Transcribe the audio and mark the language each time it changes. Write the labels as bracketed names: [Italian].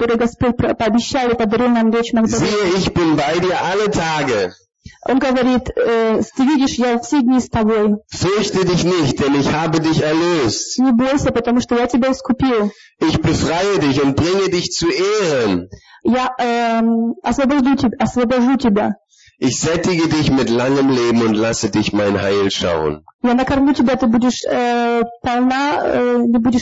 [German] Siehe, ich bin bei dir alle Tage. [Russian] Он говорит, ты видишь, я все дни с тобой. [German] Fürchte dich nicht, denn ich habe dich erlöst. [Russian] Не бойся, потому что я тебя искупил. [German] Ich befreie dich und bringe dich zu Ehren. [Russian] Я освобожу тебя. [German] Ich sättige dich mit langem Leben und lasse dich mein Heil schauen. [Russian] Я накормлю тебя, ты будешь полна, ты будешь.